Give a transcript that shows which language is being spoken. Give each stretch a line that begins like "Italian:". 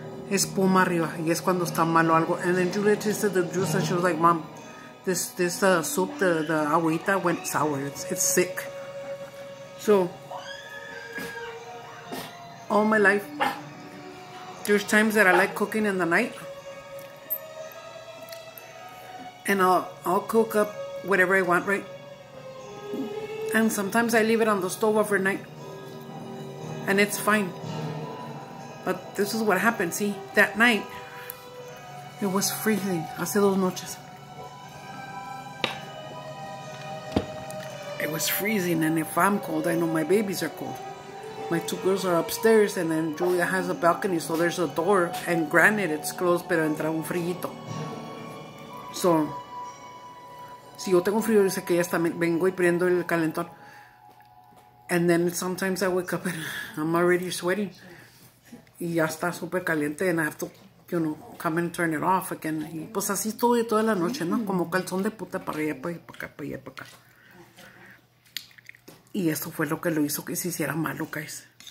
Spanish: espuma arriba y es cuando está malo algo.
English: And then Julia tasted the juice and she was like, mom, this soup, the agüita went sour, it's sick. So all my life there's times that I like cooking in the night and I'll cook up whatever I want, right? And sometimes I leave it on the stove overnight and it's fine. But this is what happened, see? That night, it was freezing.
Spanish: Hace dos noches.
English: It was freezing, and if I'm cold, I know my babies are cold. My two girls are upstairs, and then Julia has a balcony, so there's a door, and granted, it's closed,
Spanish: pero entra un frijito. So, si yo tengo frío, dice que ya está, vengo y prendo el calentón.
English: And then sometimes I wake up, and I'm already sweating.
Spanish: Y ya está súper caliente,
English: and I have to, you know, come and turn it off again.
Spanish: Y pues así todo y toda la noche, ¿no? Como calzón de puta para allá, para allá, para acá, para allá, para acá. Y eso fue lo que lo hizo que se hiciera malo, guys.